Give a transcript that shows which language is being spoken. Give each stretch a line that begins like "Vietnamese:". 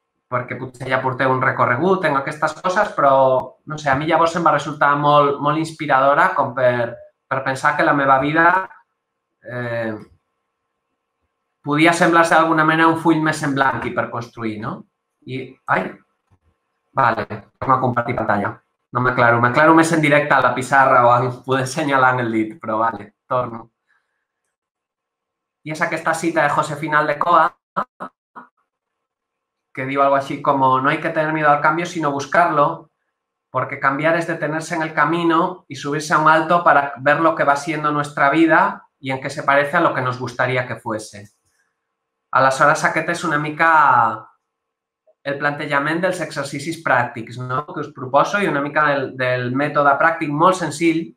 Catalan: perquè potser ja porteu un recorregut en aquestes coses, però, no sé, a mi llavors em va resultar molt, molt inspiradora com per pensar que la meva vida podia semblar-se d'alguna manera un full més en blanc i per construir, no? I, ai, vale, torno a compartir pantalla. No m'aclaro, m'aclaro més en directe a la pissarra o a poder assenyalar en el dit, però vale, torno. I és aquesta cita de Josefina Aldecoa que diu algo així com
Spanish: no hay que tener miedo al cambio sino buscarlo porque cambiar es detenerse en el camino y subirse a un alto para ver lo que va siendo nuestra vida y en qué se parece a lo que nos gustaría que fuese.
Catalan: Aleshores, aquest és una mica el plantejament dels exercicis pràctics, no?, que us proposo i una mica del mètode pràctic molt senzill.